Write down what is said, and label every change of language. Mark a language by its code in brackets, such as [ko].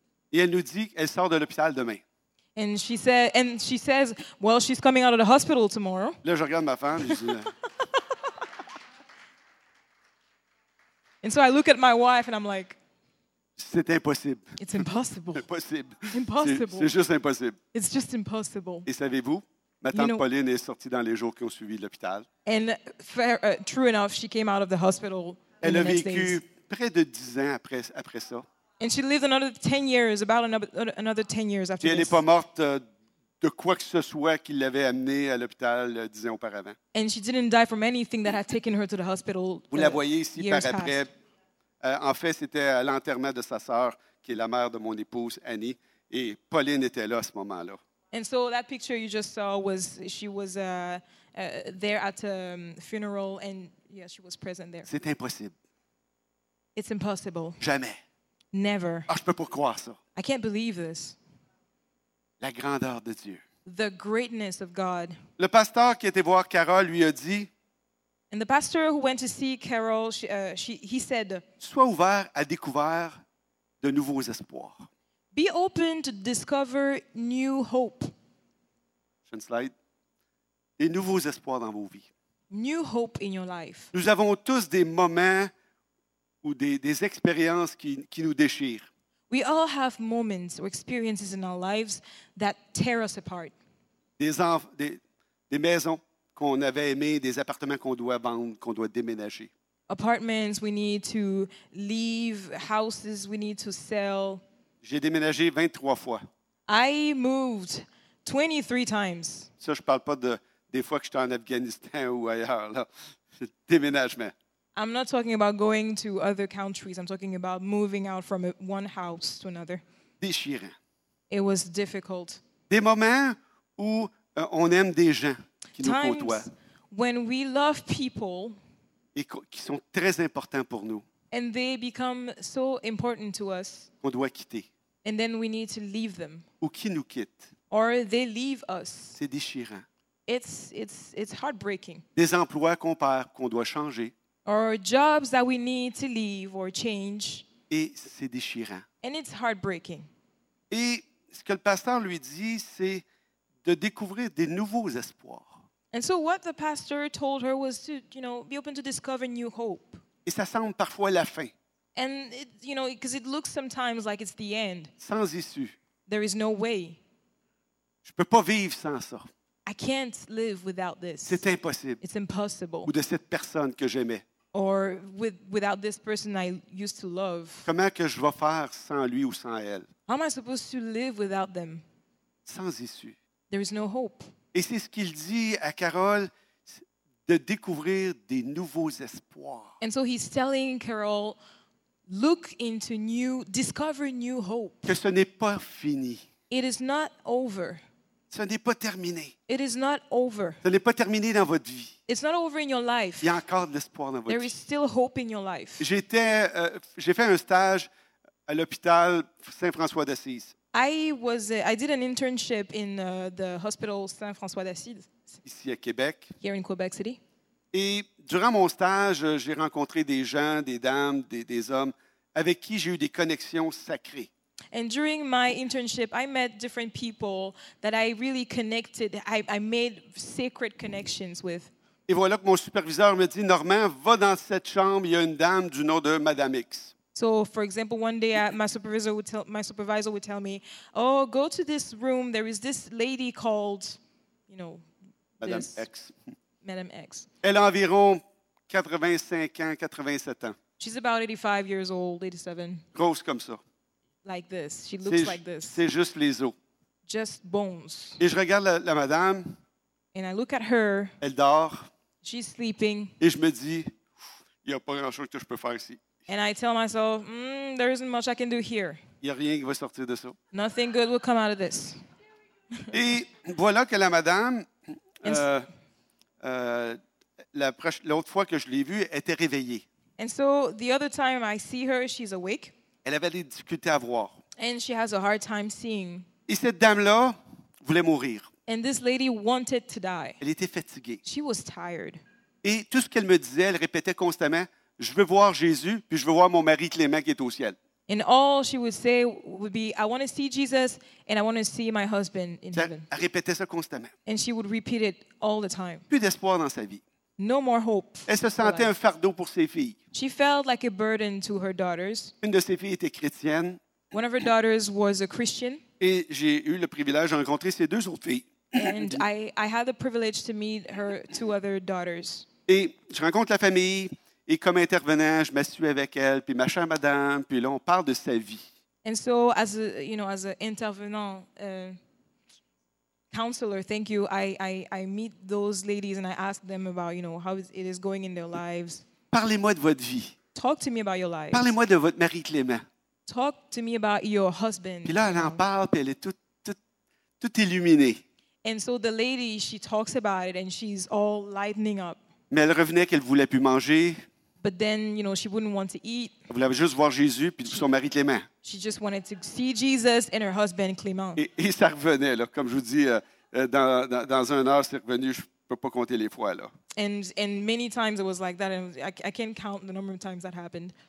[fr] Et elle nous dit qu'elle sort de l'hôpital demain. [en] And she said, and she says, well, she's coming out of the hospital tomorrow. [fr] Là, je regarde ma femme. Je dis, [en] and so I look at my wife and I'm like, [fr] c'est impossible. [en] It's impossible. [fr] Impossible. [en] Impossible. [fr] C'est juste impossible. [en] It's just impossible. [fr] Et savez-vous, ma tante Pauline est sortie dans les jours qui ont suivi l'hôpital. [en] And fair, true enough, she came out of the hospital. [fr] Elle a vécu près de 10 ans après ça. [en] And she lived another 10 years, about another 10 years after this. [fr] Et elle n'est pas morte de quoi que ce soit qui l'avait amenée à l'hôpital 10 ans auparavant. [en] And she didn't die from anything that had taken her to the hospital. [fr] Vous la voyez ici par après. En fait, c'était à l'enterrement de sa sœur, qui est la mère de mon épouse, Annie. Et Pauline était là à ce moment-là. [en] And so that picture you just saw was, she was there at a funeral, and yeah, she was present there. [fr] C'est impossible. [en] It's impossible. [fr] Jamais. [en] Never. [fr] Ah, je peux pas croire ça. [en] I can't believe this. [fr] La grandeur de Dieu. [en] The greatness of God. [fr] Le pasteur qui était voir Carole lui a dit, [en] and the pastor who went to see Carol, he said, [fr] sois ouvert à découvrir de nouveaux espoirs. [en] Be open to discover new hope. [fr] Je slide. Des nouveaux espoirs dans vos vies. [en] New hope in your life. [fr] Nous avons tous des moments ou des expériences qui nous déchirent. [en] We all have moments or experiences in our lives that tear us apart. [fr] Des maisons qu'on avait aimé, des appartements qu'on doit vendre, qu'on doit déménager. [en] Apartments we need to leave, houses we need to sell. [fr] J'ai déménagé 23 fois. [en] I moved 23 times. [fr] Ça, je parle pas des fois que j'étais en Afghanistan ou ailleurs, là. Déménagement. [en] I'm not talking about going to other countries. I'm talking about moving out from one house to another. [fr] Déchirant. [en] It was difficult. [fr] Des moments où on aime des gens qui [en] times [fr] nous côtoient. [en] When we love people. [fr] Et qui sont très importants pour nous. [en] And they become so important to us. [fr] On doit quitter. [en] And then we need to leave them. [fr] Ou qui nous quitte. [en] Or they leave us. [fr] C'est déchirant. [en] It's heartbreaking. [fr] Des emplois qu'on perd, qu'on doit changer. [en] Or jobs that we need to leave or change. [fr] Et c'est déchirant. [en] And it's heartbreaking. [fr] Et ce que le pasteur lui dit, c'est de découvrir des nouveaux espoirs. [en] And so what the pastor told her was to, you know, be open to discover new hope. [fr] Et ça semble parfois la fin. [en] And it, you know, because it looks sometimes like it's the end. [fr] Sans issue. [en] There is no way. [fr] Je peux pas vivre sans ça. [en] I can't live without this. [fr] C'est impossible. [en] It's impossible. [fr] Ou de cette personne que j'aimais. [en] Or without this person I used to love. [fr] Comment que je vais faire sans lui ou sans elle? [en] How am I supposed to live without them? [fr] Sans issue. [en] There is no hope. [fr] Et c'est ce qu'il dit à Carole de découvrir des nouveaux espoirs. [en] And so he's telling Carole, look into new, discover new hope. [fr] Que ce n'est pas fini. [en] It is not over. [fr] Ce n'est pas terminé. [en] It is not over. [fr] Ce n'est pas terminé dans votre vie. [en] It's not over in your life. [fr] Il y a encore de l'espoir dans votre [en] There [fr] vie. [en] There is still hope in your life. [fr] J'ai fait un stage à l'hôpital Saint-François d'Assise. [en] I did an internship in the hospital Saint-François d'Assise. [fr] Ici à Québec. [en] Here in Quebec City. [fr] Et durant mon stage, j'ai rencontré des gens, des dames, des hommes avec qui j'ai eu des connexions sacrées. [en] And during my internship, I met different people that I really connected, I made sacred connections with. [fr] Et voilà que mon superviseur me dit, Normand, va dans cette chambre, il y a une dame du nom de Madame X. [en] So, for example, one day my supervisor would tell me, oh, go to this room, there is this lady called, you know, [fr] Madame X. [en] Madame X. [fr] Elle a environ 85 ans, 87 ans. [en] She's about 85 years old, 87. [fr] Grosse comme ça. [en] Like this. She looks like this. [fr] C'est juste les os. [en] Just bones. [fr] Et je regarde la madame. [en] And I look at her. [fr] Elle dort. [en] She's sleeping. [fr] Et je me dis, il n'y a pas grand-chose que je peux faire ici. [en] And I tell myself, there isn't much I can do here. [fr] Il n'y a rien qui va sortir de ça. [en] Nothing good will come out of this. [fr] Et voilà que la madame, l'autre fois que je l'ai vue, était réveillée. [en] And so the other time I see her, she's awake. [fr] Elle avait des difficultés à voir. [en] And she has a hard time seeing. [fr] Et cette dame-là voulait mourir. [en] And this lady wanted to die. [fr] Elle était fatiguée. [en] She was tired. [fr] Et tout ce qu'elle me disait, elle répétait constamment, « Je veux voir Jésus, puis je veux voir mon mari Clément qui est au ciel. » [en] And all she would say would be, « I want to see Jesus, and I want to see my husband in heaven. » [fr] Elle répétait ça constamment. [en] And she would repeat it all the time. [fr] Plus d'espoir dans sa vie. [en] No more hope. [fr] Elle se sentait un fardeau pour ses filles. [en] She felt like a burden to her daughters. [fr] Une de ses filles était chrétienne. [en] One of her daughters was a Christian. [fr] Et j'ai eu le privilège de rencontrer ses deux autres filles. [en] And I had the privilege to meet her two other daughters. [fr] Et je rencontre la famille et comme intervenant, je m'assieds avec elle puis ma chère madame puis là on parle de sa vie. [en] And so as a, you know, as an intervenant. Counselor, thank you. I meet those ladies and I ask them about, you know, how it is going in their lives. [fr] Parlez-moi de votre vie. [en] Talk to me about your life. [fr] Parlez-moi de votre mari Clément. [en] Talk to me about your husband. [fr] Puis là, elle en parle, puis elle est toute illuminée. [en] And so the lady, she talks about it and she's all lightening up. [fr] Mais elle revenait qu'elle voulait plus manger. [en] But then, you know, she wouldn't want to eat. [fr] Elle voulait juste voir Jésus puis son mari Clément. [en] She just wanted to see Jesus and her husband Clément. [fr] Et ça revenait là, comme je vous dis, dans une heure c'est revenu. Je peux pas compter les fois là. [en] And many times it was like that, and I can't count the number of times that happened.